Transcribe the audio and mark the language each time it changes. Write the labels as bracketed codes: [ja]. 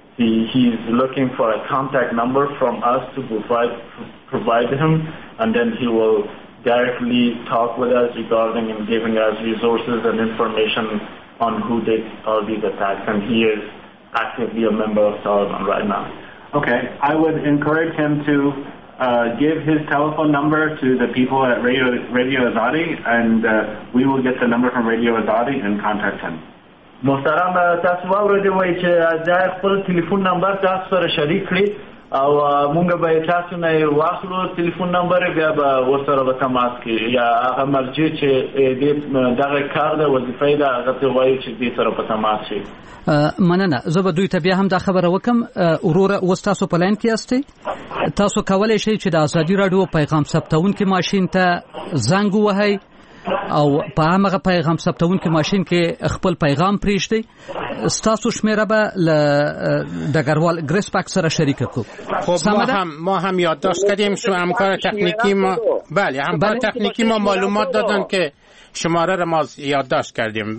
[en] He's looking for a contact number from us to provide him, and then he will directly talk with us regarding and giving us resources and information on who did all these attacks, and he is actively a member of Taliban right now. Okay, I would encourage him to give his telephone number to the people at Radio Azadi, and we will get the number from Radio Azadi and contact him. [ps] محترم تاسو ورته وای چې ځای خپل ټلیفون نمبر تاسو سره شریک کړی او مونږ به تاسو نه واخلو ټلیفون نمبر بیا به ورسره تماس کی یا هغه مرجع چې دغه کار د وظیفې د هغه ته وایي چې دې سره په تماس شي. مننه. زه به دوی ته بیا هم دا خبره وکم. وروره اوس تاسو په لاین کې یاستئ. تاسو کولی شئ چې د ازادي راډیو پیغام ثبتوونکي ماشین ته زنګ ووهئ او په هغه پیغام ثبتوونکي ماشین کې خپل پیغام پریږدئ. ستاسو شمیره به له ډګروال ګریس پاک سره شریک کړو. [fa] خب ما هم یادداشت کردیم شو همکار تخنیکی ما بله همکار تخنیکی ما معلومات دادن که شماره را ما یادداشت کردیم.